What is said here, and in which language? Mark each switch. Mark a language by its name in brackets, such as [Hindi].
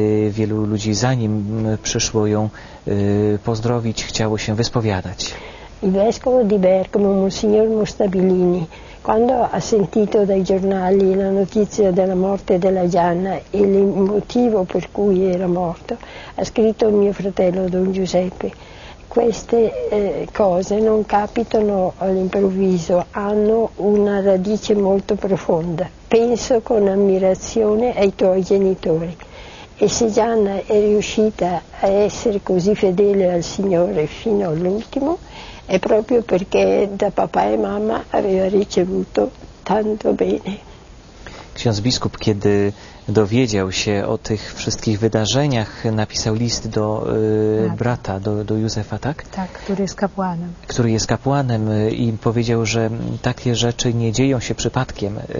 [Polish] Wielu ludzi zanim przyszło ją pozdrowić, chciało się wyspowiadać. [Italian] I vescovo di Bergamo, Monsignor Mostabilini, quando ha sentito dai giornali la notizia della morte della Gianna e il motivo per cui era morto, ha scritto a mio fratello Don Giuseppe: queste cose non capitano all'improvviso, hanno una radice molto profonda. Penso con ammirazione ai tuoi genitori. E se Gianna è riuscita a essere così fedele al Signore fino all'ultimo, è proprio perché da papà e mamma aveva ricevuto tanto bene. [Polish] Ksiądz biskup, kiedy dowiedział się o tych wszystkich wydarzeniach, napisał list do brata, do Józefa, tak? Tak, który jest kapłanem. Który jest kapłanem i powiedział, że takie rzeczy nie dzieją się przypadkiem.